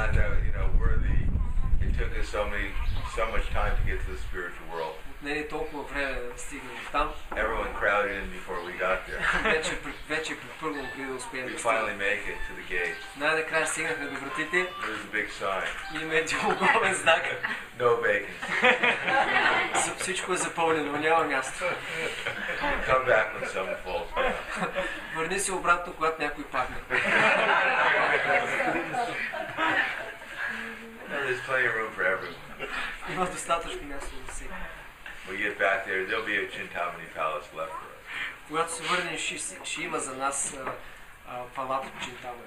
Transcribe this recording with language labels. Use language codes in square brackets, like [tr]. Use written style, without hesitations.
[en] Not that, you know, worthy. It took us so much time to get to the spiritual world. [bg] Не е толкова време да стигнем там. [en] Everyone crowded in before we got there. [bg] Вече припърло преди да успеем. [en] We finally make it to the gate. [bg] Най-накрая стигнахме до вратите. [en] There's a big sign. [bg] Има един огромен знак. [en] No vacancy. [bg] Всичко е запълнено, няма място. [en] Come back when someone falls down. [bg] Върни се обратно, когато някой падне. [en] There's plenty of room for everyone. [bg] Има достатъчно място за всеки. [en] We get back there, there'll be a Chintamani palace left for us. [bg] Когато се върнем, ще има за нас палат в Чинтамани.